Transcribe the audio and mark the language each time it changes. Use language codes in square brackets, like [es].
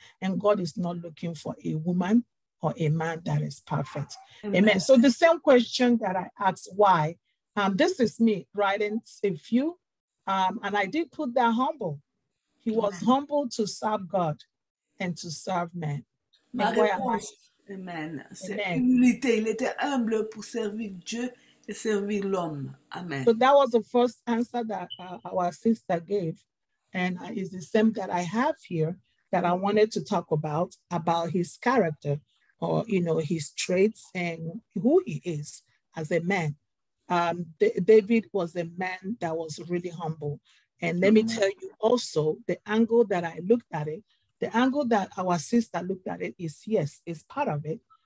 [en] And God is not looking for a woman or a man that is perfect. Amen. Amen. So the same question that I asked, why? This is me writing a few. And I did put that humble. He was humble to serve God and to serve men. [fr] Amen. Humilité. Il était humble pour servir Dieu et servir l'homme. Amen. [en] So that was the first answer that our sister gave. And it's the same that I have here that I wanted to talk about his character. Or, you know, his traits and who he is as a man. David was a man that was really humble. And let me tell you also, the angle that I looked at it, the angle that our sister looked at it is, yes, it's part of it.